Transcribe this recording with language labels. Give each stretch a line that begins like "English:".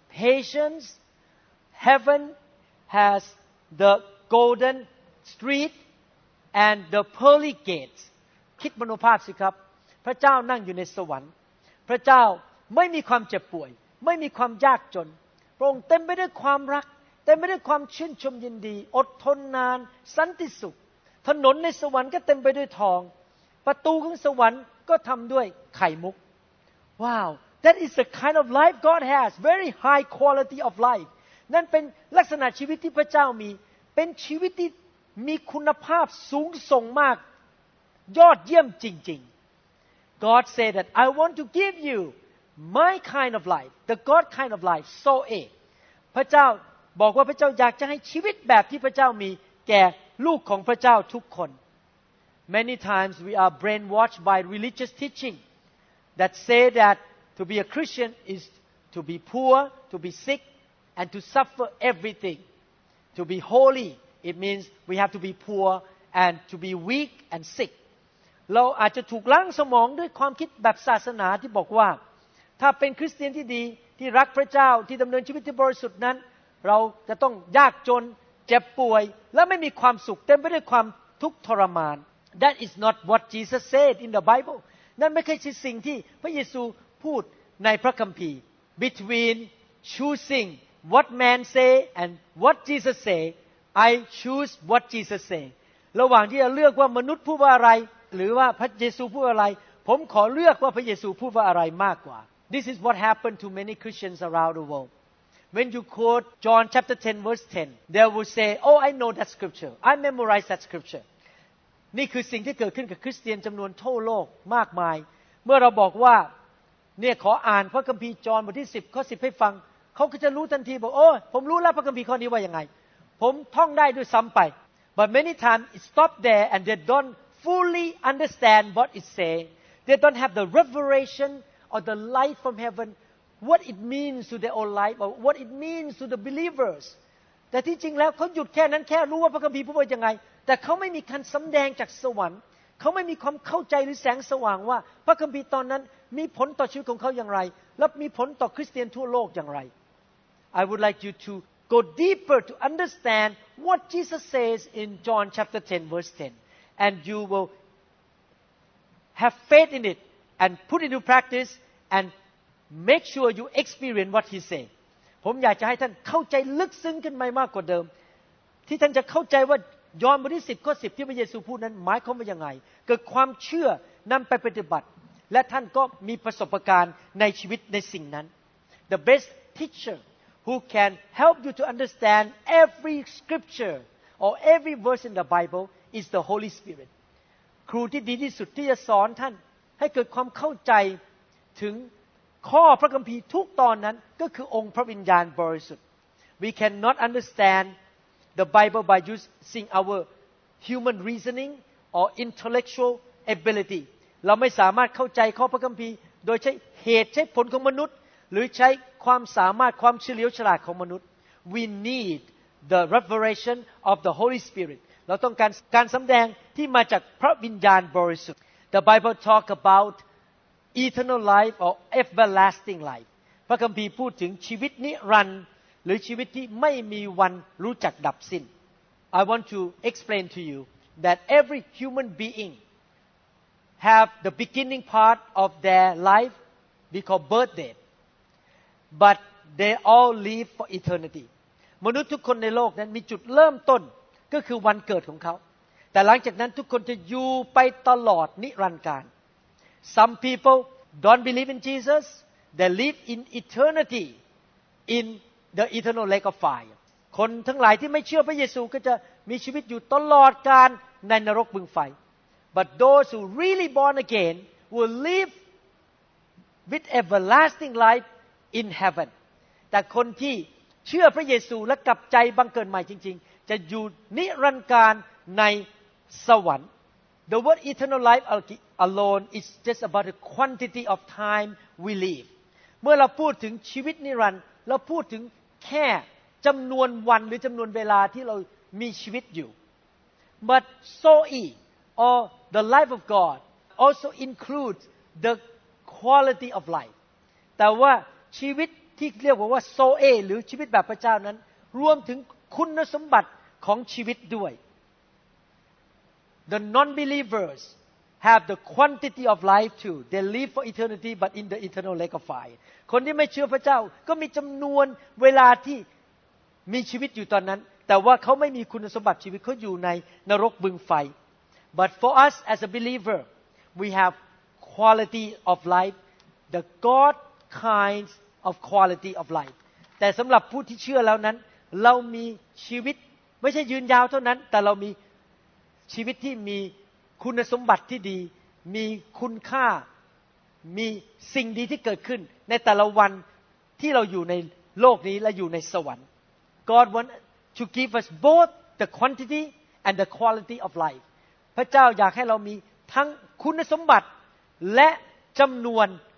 English: Patience, heaven has the golden street and the pearly gates.
Thai: คิดมโนภาพสิครับพระเจ้านั่งอยู่ในสวรรค์พระเจ้าไม่มีความเจ็บป่วยไม่มีความยากจนพระองค์เต็มไปด้วยความรักเต็มไปด้วยความชื่นชมยินดีอดทนนานสันติสุขถนนในสวรรค์ก็เต็มไปด้วยทองประตูของสวรรค์ก็ทำด้วยไข่มุกว้าว
English: That is the kind of life God has. Very high quality of life.
Thai: นั่นเป็นลักษณะชีวิตที่พระเจ้ามีเป็นชีวิตที่มีคุณภาพสูงส่งมากยอดเยี่ยมจริงๆ
English: God said that I want to give you my kind of life, the God kind of life, so a.
Thai: พระเจ้าบอกว่าพระเจ้าอยากจะให้ชีวิตแบบที่พระเจ้ามีแก่ลูกของพระเจ้าทุกคน
English: Many times we are brainwashed by religious teaching that say that to be a Christian is to be poor, to be sick, and to suffer everything. To be holy, it means we have to be poor and to be weak and sick.
Thai: เราอาจจะถูกล้างสมองด้วยความคิดแบบศาสนาที่บอกว่าถ้าเป็นคริสเตียนที่ดีที่รักพระเจ้าที่ดำเนินชีวิตที่บริสุทธิ์นั้นเราจะต้องยากจนเจ็บป่วยและไม่มีความสุขเต็มไปด้วยความทุกข์ทรมาน
English: That is not what Jesus said in the Bible
Thai: นั่นไม่ใช่สิ่งที่พระเยซูพูดในพระคัมภีร์
English: Between choosing what man say and what Jesus say I choose what Jesus say
Thai: ระหว่างที่จะเลือกว่ามนุษย์พูดว่าอะไรหรือว่าพระเยซูพูดอะไรผมขอเลือกว่าพระเยซูพูดว่าอะไรมากกว่า
English: This is what happened to many Christians around the world. When you quote John chapter 10 verse 10, they will say, "Oh, I know that scripture. I memorize that scripture."
Thai: นี่คือสิ่งที่เกิดขึ้นกับคริสเตียนจำนวนทั่วโลกมากมายเมื่อเราบอกว่าเนี่ยขออ่านพระคัมภีร์จอห์นบทที่10ข้อ10ให้ฟังเขาก็จะรู้ทันทีบอกโอ้ผมรู้แล้วพระคัมภีร์ข้อนี้ว่ายังไงผมท่องได้ด้วยซ้ำไป
English: But many times it stopped there and they don'tfully understand what it's saying. They don't have the revelation or the light from heaven, what it means to their own life or what it means to the believers.
Thai: แต่ที่จริงแล้วเขาหยุดแค่นั้นแค่รู้ว่าพระคัมภีร์พูดว่ายังไงแต่เขาไม่มีการสำแดงจากสวรรค์เขาไม่มีความเข้าใจหรือแสงสว่างว่าพระคัมภีร์ตอนนั้นมีผลต่อชีวิตของเขาอย่างไรและมีผลต่อคริสเตียนทั่วโลกอย่างไร
English: I would like you to go deeper to understand what Jesus says in John chapter 10 verse 10. And you will have faith in it and put it into practice and make sure you experience what he say.
Thai: ผมอยากจะให้ท่านเข้าใจลึกซึ้งขึ้นไปมากกว่าเดิมที่ท่านจะเข้าใจว่ายอห์นบทที่10ข้อ10ที่พระเยซูพูดนั้นหมายความว่ายังไงเกิดความเชื่อนำไปปฏิบัติและท่านก็มีประสบการณ์ในชีวิตในสิ่งนั้น
English: The best teacher who can help you to understand every scripture or every verse in the Bible. Is the Holy Spirit
Thai: ครูที่ดีที่สุดที่จะสอนท่านให้เกิดความเข้าใจถึงข้อพระคัมภีร์ทุกตอนนั้นก็คือองค์พระวิญญาณบริสุทธิ์
English: We cannot understand the Bible by using our human reasoning or intellectual ability
Thai: เราไม่สามารถเข้าใจข้อพระคัมภีร์โดยใช้เหตุใช้ผลของมนุษย์หรือใช้ความสามารถความเฉลียวฉลาดของมนุษย์
English: We need the revelation of the Holy Spirit
Thai: เราต้องการการสำแดงที่มาจากพระวิญญาณบริสุทธิ์
English: The Bible talk about eternal life or everlasting life
Thai: พระคัมภีร์พูดถึงชีวิตนิรันดร์หรือชีวิตที่ไม่มีวันรู้จักดับสิ้น
English: I want to explain to you that every human being have the beginning part of their life we call birth date but they all live for eternity
Thai: มนุษย์ทุกคนในโลกนั้นมีจุดเริ่มต้นก็คือวันเกิดของเขาแต่หลังจากนั้นทุกคนจะอยู่ไปตลอดนิรันดร์กาล
English: Some people don't believe in Jesus they live in eternity in the eternal lake of fire
Thai: คนทั้งหลายที่ไม่เชื่อพระเยซูก็จะมีชีวิตอยู่ตลอดกาลในนรกบึงไฟ
English: But those who really born again will live with everlasting life in heaven
Thai: แต่คนที่เชื่อพระเยซูและกลับใจบังเกิดใหม่จริงๆจะอยู่นิรันดร์กาลในสวรรค์
English: The word eternal life alone is just about the quantity of time we live
Thai: เมื่อเราพูดถึงชีวิตนิรันดร์เราพูดถึงแค่จำนวนวันหรือจำนวนเวลาที่เรามีชีวิตอยู่
English: But soe or the life of God also includes the quality of life
Thai: แต่ว่าชีวิตที่เรียกว่าsoeหรือชีวิตแบบพระเจ้านั้นรวมถึงคุณสมบัติของชีวิตด้วย
English: The non-believers have the quantity of life too. They live for eternity, but in the eternal lake of fire.
Thai: คนที่ไม่เชื่อพระเจ้าก็มีจำนวนเวลาที่มีชีวิตอยู่ตอนนั้นแต่ว่าเขาไม่มีคุณสมบัติชีวิตเขาอยู่ในนรกบึงไฟ
English: But for us as a believer, we have quality of life, the God kind of quality of life.
Thai: แต่สำหรับผู้ที่เชื่อแล้วนั้นเรามีชีวิตไม่ใช่ยืนยาวเท่านั้นแต่เรามีชีวิตที่มีคุณสมบัติที่ดีมีคุณค่า มีสิ่งดีที่เกิดขึ้นในแต่ละวันที่เราอยู่ในโลกนี้และอยู่ในสวรรค์
English: God wants to give us both the quantity and the quality of life
Thai: พระเจ้าอยากให้เรามีทั้งคุณสมบัติและจำนวน